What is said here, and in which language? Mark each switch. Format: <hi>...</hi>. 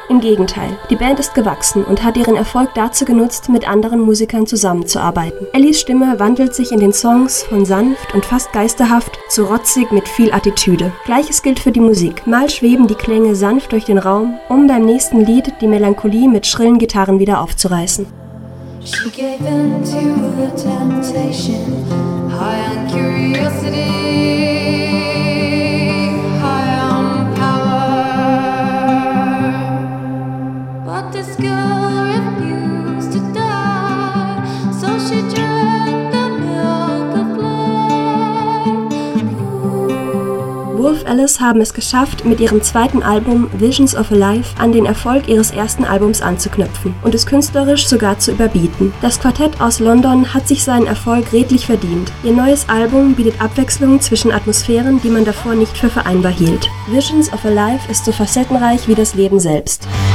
<de>Im Gegenteil, die Band ist gewachsen und hat ihren Erfolg dazu genutzt, mit anderen Musikern zusammenzuarbeiten. Ellis Stimme wandelt sich in den Songs von sanft und fast geisterhaft zu rotzig mit viel Attitüde. Gleiches gilt für die Musik. Mal schweben die Klänge sanft durch den Raum, um beim nächsten Lied die Melancholie mit schrillen Gitarren wieder aufzureißen.</de> <en>She gave in to the temptation, high on curiosity, high on power. But this girl refused to die, so she drank the milk of life.</en> <de>Wolf Ellis haben es geschafft, mit ihrem zweiten Album Visions of a Life an den Erfolg ihres ersten Albums anzuknüpfen und es künstlerisch sogar zu überbieten. Das Quartett aus London hat sich seinen Erfolg redlich verdient. Ihr neues Album bietet Abwechslung zwischen Atmosphären, die man davor nicht für vereinbar hielt. Visions of a Life ist so facettenreich wie das Leben selbst.</de>